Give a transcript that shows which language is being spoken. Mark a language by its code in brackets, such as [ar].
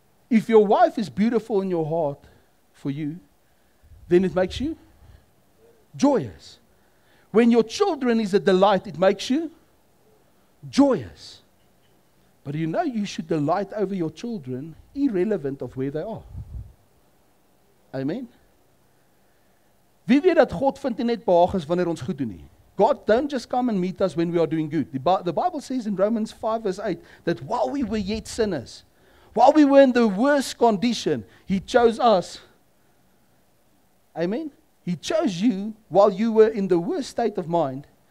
[en] If your wife is beautiful in your heart for you, then it makes you joyous. When your children is a delight, it makes you joyous. But you know you should delight over your children, irrelevant of where they are. Amen? [af] Wie weet dat God vind nie net behaag is wanneer ons goed doen nie? [en] God don't just come and meet us when we are doing good. The Bible says in Romans 5 verse 8, that while we were yet sinners, while we were in the worst condition, He chose us. Amen? He chose you while you were in the worst state of mind.